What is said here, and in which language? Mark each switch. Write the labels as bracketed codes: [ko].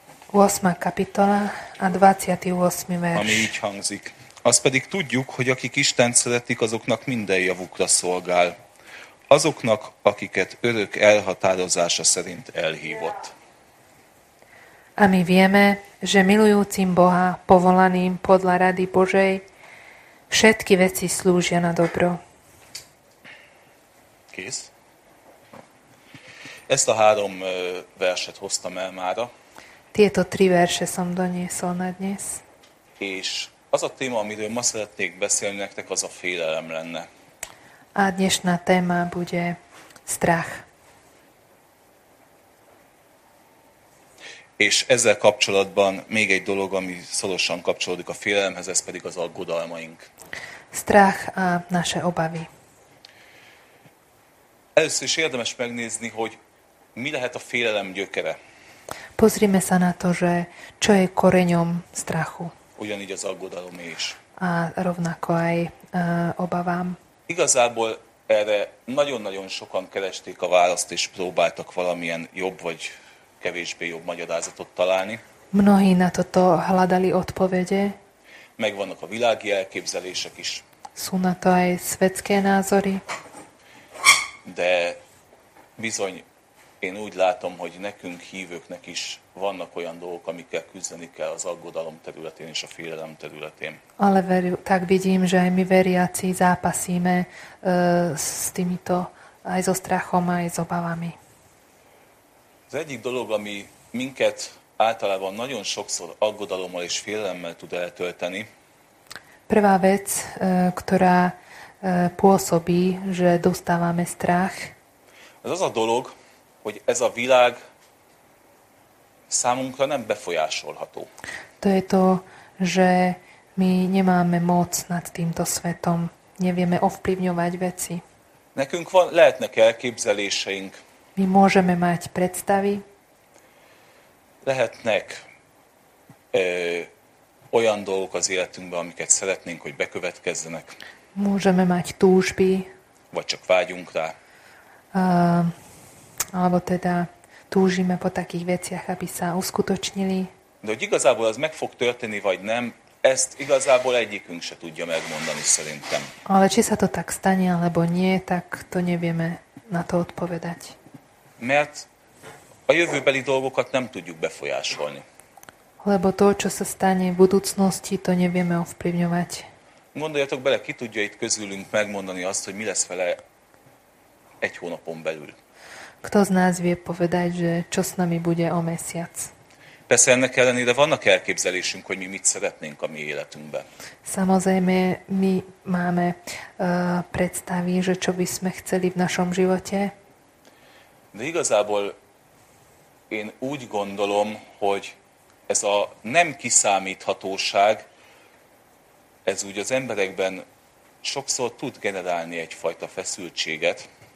[sk] 8. kapitola a 28. vers. [hu] Ami így hangzik. Azt pedig tudjuk, hogy akik Istent szeretik, azoknak minden javukra szolgál. Azoknak, akiket örök elhatározása szerint elhívott. [sk] A mi vieme, že milujúcim Boha, povolaným podľa rady Božej, všetky veci slúžia na dobro. [hu] Kész. Ezt a három verset hoztam el mára. [sk] Tieto tri verše som doniesol na dnes. [hu] És az a téma, amiről ma szeretnék beszélni nektek, az a félelem lenne. [sk] A dnešná téma bude strach. [hu] És ezzel kapcsolatban még egy dolog, ami szorosan kapcsolódik a félelemhez, ez pedig az aggodalmaink. [sk] Strach a naše obavy. [hu] Először is érdemes megnézni, hogy mi lehet a félelem gyökere. [sk] Pozrime sa na to, že čo je koreňom strachu. [hu] Ugyanígy az aggodalom is. [sk] A rovnako aj obavám. [hu] Igazából erre nagyon-nagyon sokan keresték a választ, és próbáltak valamilyen jobb vagy kevésbé jobb magyarázatot találni. [sk] Mnohí na toto hľadali odpovede. [hu] Megvannak a világi elképzelések is. [sk] Sú na to aj svetské názory. [hu] De bizony én úgy látom, hogy nekünk hívőknek is vannak olyan dolgok, amikkel küzdeni kell az aggodalom területén és a félelem területén. [sk] Ale veru, tak vidím, že aj my veriaci zápasíme s týmito, aj so strachom, aj s obavami. [hu] Az egyik dolog, ami minket általában nagyon sokszor aggodalommal és félelemmel tud eltölteni. [sk] Prvá vec, ktorá pôsobí, že dostávame strach. [hu] Ez az a dolog, hogy ez a világ számunkra nem befolyásolható. [sk] To je to, že my nemáme moc nad týmto svetom. Nevieme ovplyvňovať veci. [hu] Nekünk van, lehetnek elképzeléseink. [sk] My môžeme mať predstavy. [hu] Lehetnek olyan dolgok az életünkben, amiket szeretnénk, hogy bekövetkezzenek. [sk] Môžeme mať túžby. [hu] Vagy csak vágyunk rá. [sk] Alebo teda túžime po takých veciach, aby sa uskutočnili. [hu] De hogy igazából az meg fog történni, vagy nem, ezt igazából egyikünk se tudja megmondani szerintem. [sk] Ale či sa to tak stane, alebo nie, tak to nevieme na to odpovedať. [hu] Mert a jövőbeli dolgokat nem tudjuk befolyásolni. [sk] Lebo to, čo sa stane v budúcnosti, to nevieme ovplyvňovať. [hu] Gondoljatok bele, ki tudja itt közülünk megmondani azt, hogy mi lesz vele egy hónapon belül. [sk] Kto z nás vie povedať, že čo s nami bude o mesiac? [hu] Persze ennek ellenére vannak elképzelésünk, hogy mi mit szeretnénk a mi életünkbe. [sk] Samozrejme, my máme predstavy, že čo by sme chceli v našom živote. [hu] De igazából én úgy gondolom, hogy ez a nem kiszámíthatóság, ez úgy az emberekben sokszor tud generálni egyfajta feszültséget.